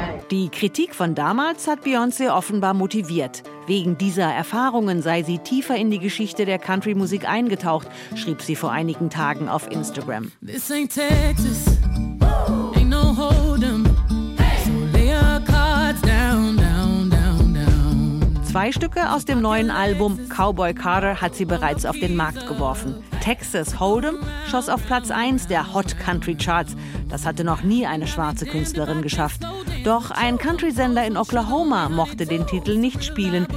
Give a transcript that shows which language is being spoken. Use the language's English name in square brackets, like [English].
[German] Die Kritik von damals hat Beyoncé offenbar motiviert. Wegen dieser Erfahrungen sei sie tiefer in die Geschichte der Country-Musik eingetaucht, schrieb sie vor einigen Tagen auf Instagram. [English] This ain't Texas, ain't no hold'em, so lay your cards down, down, down, down. [German] 2 Stücke aus dem neuen Album Cowboy Carter hat sie bereits auf den Markt geworfen. Texas Hold'em schoss auf Platz 1 der Hot Country Charts. Das hatte noch nie eine schwarze Künstlerin geschafft. Doch ein Country-Sender in Oklahoma mochte den Titel nicht spielen.